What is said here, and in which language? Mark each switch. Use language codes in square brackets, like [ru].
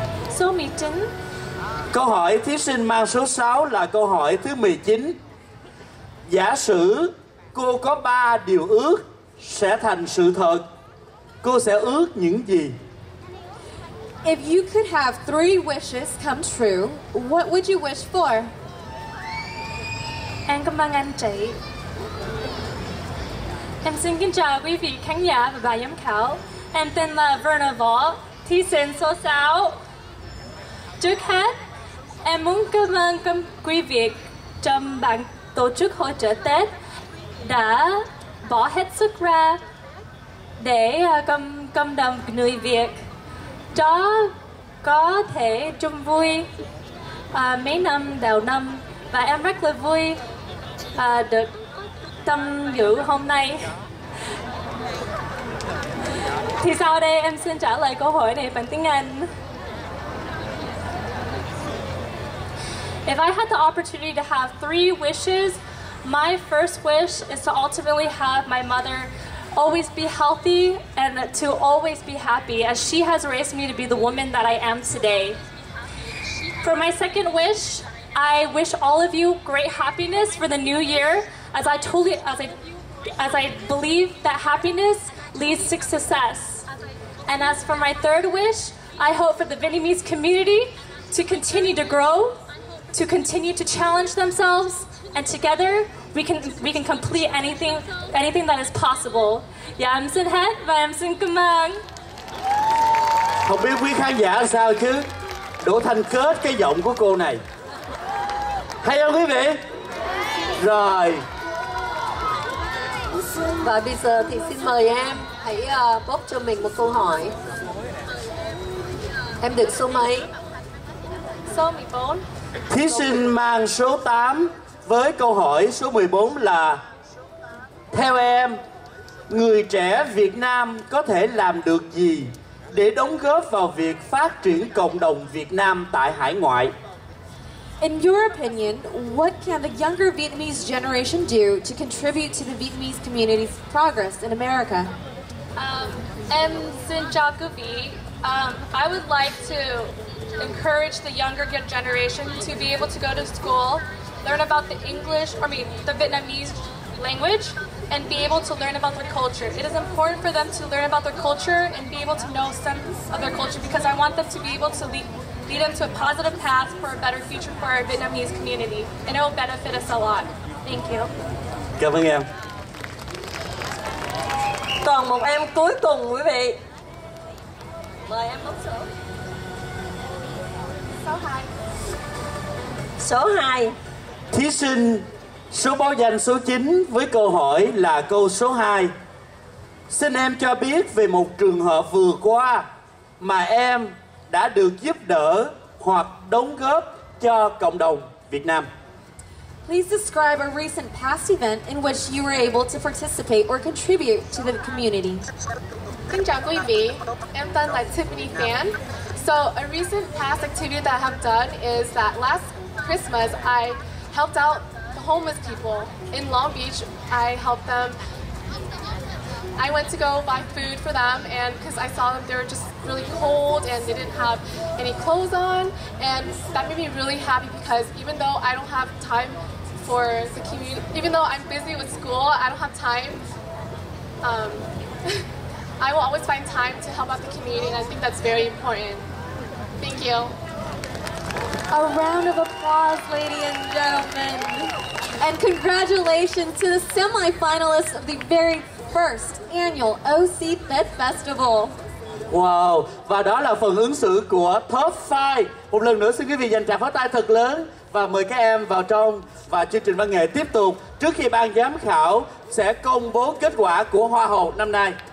[vi] Số 19. Câu hỏi thí sinh mang số 6 là câu hỏi thứ 19. Giả sử cô có 3 điều ước sẽ thành sự thật, cô sẽ ước những gì? [en] If you could have 3 wishes come true, what would you wish for? [vi] Em cảm ơn anh chị. Em xin kính chào quý vị khán giả và bà giám khảo. Em tên là Verna Võ, thí sinh số 6. Trước hết, em muốn cảm ơn quý vị trong ban tổ chức hỗ trợ Tết đã bỏ hết sức ra để cộng đồng người Việt cho có thể chung vui mấy năm đầu năm. Và em rất là vui được tâm dự hôm nay. Thì sau đây em xin trả lời câu hỏi này bằng tiếng Anh. [en] If I had the opportunity to have 3 wishes, my first wish is to ultimately have my mother always be healthy and to always be happy, as she has raised me to be the woman that I am today. For my second wish, I wish all of you great happiness for the new year, as I believe that happiness leads to success. And as for my third wish, I hope for the Vietnamese community to continue to grow, to continue to challenge themselves, and together we can complete anything that is possible. [vi] Dạ, em xin hết và em xin cảm ơn. Không biết quý khán giả sao chứ Đỗ Thanh kết cái giọng của cô này hay không quý vị? Rồi, và bây giờ thì xin mời em hãy bốc cho mình một câu hỏi. Em được số mấy? số 14. Thí sinh mang số 8 với câu hỏi số 14 là: theo em, người trẻ Việt Nam có thể làm được gì để đóng góp vào việc phát triển cộng đồng Việt Nam tại hải ngoại? [en] In your opinion, what can the younger Vietnamese generation do to contribute to the Vietnamese community's progress in America? [vi] Em xin chào quý vị. [en] I would like to encourage the younger generation to be able to go to school, learn about the Vietnamese language, and be able to learn about their culture. It is important for them to learn about their culture and be able to know some of their culture, because I want them to be able to lead them to a positive path for a better future for our Vietnamese community, and it will benefit us a lot. Thank you. [vi] Cảm ơn em. Còn một em cuối cùng, quý vị. Mời em bấm số. Số 2. Thí sinh số báo danh số 9 với câu hỏi là câu số 2. Xin em cho biết về một trường hợp vừa qua mà em đã được giúp đỡ hoặc đóng góp cho cộng đồng Việt Nam. [en] Please describe a recent past event in which you were able to participate or contribute to the community. [vi] Xin chào quý vị, em tên là Tiffany Phan. [en] So a recent past activity that I have done is that last Christmas I helped out homeless people in Long Beach. I helped them. I went to go buy food for them, and because I saw them, they were just really cold and they didn't have any clothes on, and that made me really happy, because even though I don't have time for the community, even though I'm busy with school, I don't have time. I will always find time to help out the community, and I think that's very important. Thank you. A round of applause, ladies and gentlemen. And congratulations to the semi-finalists of the very first annual OC Fit Festival. [vi] Wow, và đó là phần ứng xử của Top 5. Một lần nữa xin quý vị dành tràng pháo tay thật lớn và mời các em vào trong và chương trình văn nghệ tiếp tục trước khi ban giám khảo sẽ công bố kết quả của Hoa hậu năm nay.